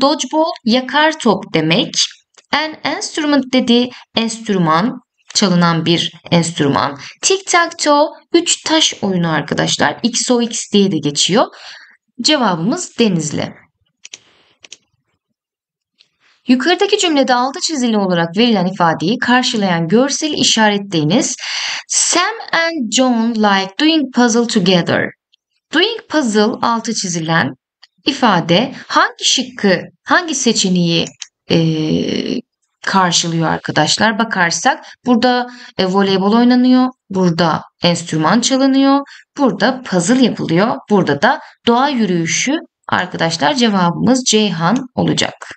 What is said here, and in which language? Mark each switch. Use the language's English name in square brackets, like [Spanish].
[Turkish] Dodgeball, yakar top demek. [English] An instrument [Turkish] dediği enstrüman, çalınan bir enstrüman. Tic-tac-toe, üç taş oyunu arkadaşlar. XOX diye de geçiyor. Cevabımız Denizli. Yukarıdaki cümlede altı çizili olarak verilen ifadeyi karşılayan görseli işaretleyiniz. [English] Sam and John like doing puzzle together. [Turkish] Doing puzzle altı çizilen ifade hangi seçeneği karşılıyor arkadaşlar? Bakarsak burada voleybol oynanıyor, burada enstrüman çalınıyor, burada puzzle yapılıyor, burada da doğa yürüyüşü arkadaşlar, cevabımız Ceyhan olacak.